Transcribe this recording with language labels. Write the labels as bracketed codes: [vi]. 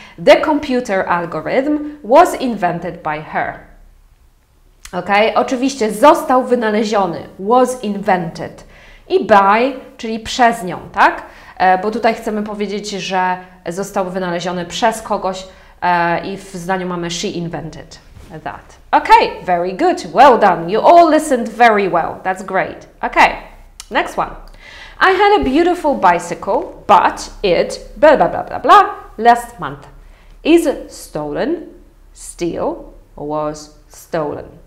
[en] The computer algorithm was invented by her. [pl] Ok, oczywiście został wynaleziony, [en] was invented. [pl] I by, czyli przez nią, tak? Bo tutaj chcemy powiedzieć, że został wynaleziony przez kogoś i w zdaniu mamy [en] she invented that. Ok, very good, well done. You all listened very well, that's great. Ok, next one. I had a beautiful bicycle, but it blah blah blah blah blah last month. Is stolen, steal, or was stolen?